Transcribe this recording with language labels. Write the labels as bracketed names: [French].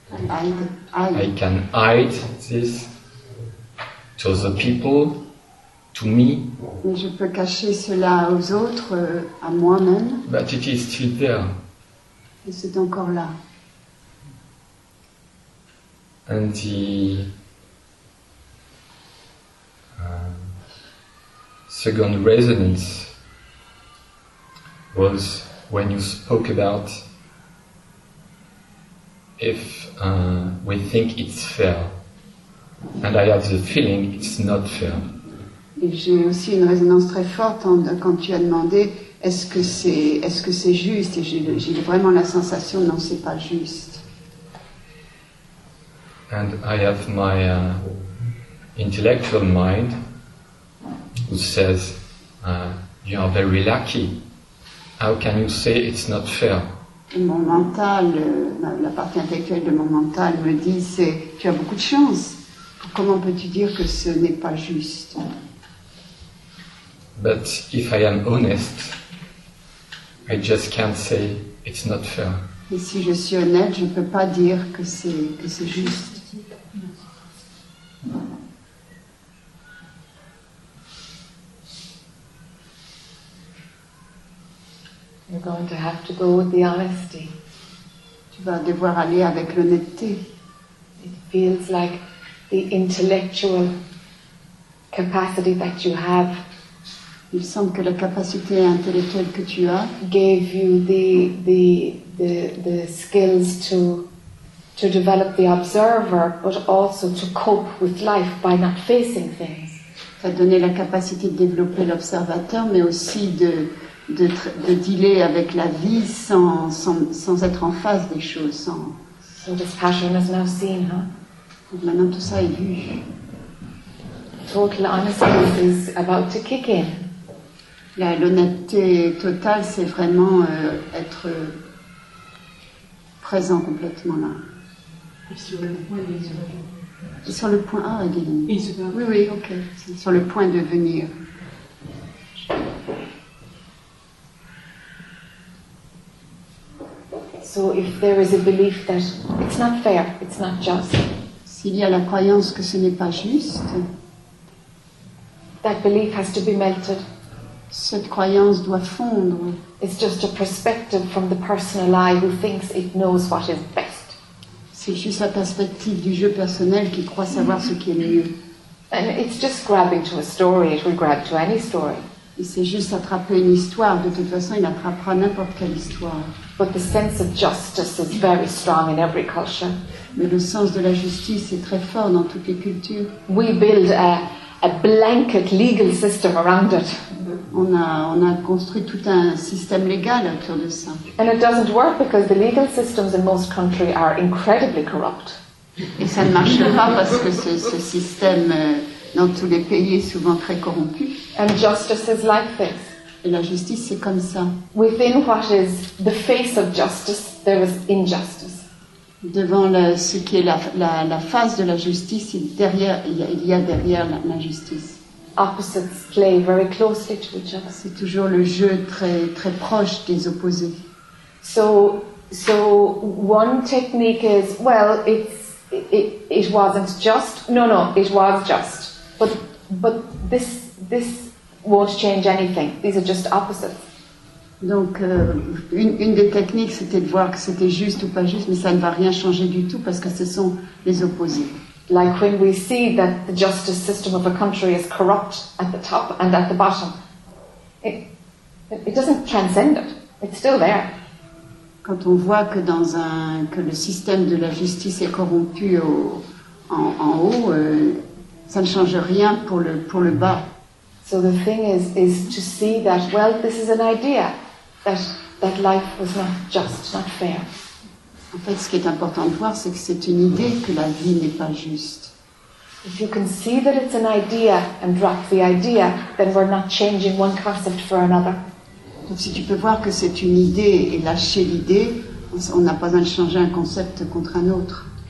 [English] I can hide this to the people, to me. [French] Je peux cacher cela aux autres, à moi-même. [English] But it is still there. [French] Et c'est encore là. [English] And the second resonance was when you spoke about if we think it's fair, and I have the feeling it's not fair. [French] Et j'ai aussi une résonance très forte quand tu as demandé est-ce que c'est juste, et j'ai vraiment la sensation non, c'est pas juste. [English] And I have my intellectual mind who says you are very lucky. How can you say it's not fair? [French] Mon mental, la partie intellectuelle de mon mental me dit c'est tu as beaucoup de chance. Comment peux-tu dire que ce n'est pas juste? [English] But if I am honest, I just can't say it's not fair. [French] Et si je suis honnête, je ne peux pas dire que c'est juste. [English] You're going to have to go with the honesty. [French] Tu vas devoir aller avec l'honnêteté. [English] It feels like the intellectual capacity that you have. [French] Il semble que la capacité intellectuelle que tu as [English] gave you the skills to develop the observer, but also to cope with life by not facing things. [French] Ça a donné la capacité de développer l'observateur, mais aussi de dealer avec la vie sans être en face des choses. Sans... [English] So this passion is now seen, huh? [French] Et maintenant tout ça est vu. [English] Total honesty is about to kick in. [French] L'honnêteté totale, c'est vraiment être présent complètement là. Et sur le point de venir. Sur le point Adeline. Oui, ok. Sur le point de venir. [English] So if there is a belief that it's not fair, it's not just. [French] S'il y a la croyance que ce n'est pas juste. [English] That belief has to be melted. [French] Cette croyance doit fondre. [English] It's just a perspective from the personal eye who thinks it knows what is best. [French] C'est juste la perspective du jeu personnel qui croit savoir ce qui est mieux. [English] And it's just grabbing to a story. It will grab to any story. [French] Et c'est juste attraper une histoire. De toute façon, il attrapera n'importe quelle histoire. [English] But the sense of justice is very strong in every culture. [French] Mais le sens de la justice est très fort dans toutes les cultures. [English] We build a blanket legal system around it. [French] On a construit tout un système légal autour de ça. [English] And it doesn't work because the legal systems in most countries are incredibly corrupt. [French] Et ça ne marche pas parce que ce système dans tous les pays est souvent très corrompu. [English] And justice is like this. [French] Et la justice c'est comme ça. [English] Within what is the face of justice, there is injustice. [French] Devant ce qui est la face de la justice, il y a derrière l'injustice. [English] Opposites play very closely to each other. [French] C'est toujours le jeu très très proche des opposés. [English] So one technique is well, it wasn't just. No, it was just. But this won't change anything. These are just opposites. [French] Donc, une des techniques, c'était de voir que c'était juste ou pas juste, mais ça ne va rien changer du tout parce que ce sont les opposés. [English] Like when we see that the justice system of a country is corrupt at the top and at the bottom, it doesn't transcend it. It's still there. [French] Quand on voit que dans un que le système de la justice est corrompu en haut, ça ne change rien pour le bas. [English] So the thing is to see that, well, this is an idea that life was not just, not fair. [French] En fait, ce qui est important de voir, c'est que c'est une idée que la vie n'est pas juste. [English] If you can see that it's an idea and drop the idea, then we're not changing one concept for another. [French] Donc, si tu peux voir que c'est une idée et lâcher l'idée, on n'a pas besoin de changer un concept contre un autre.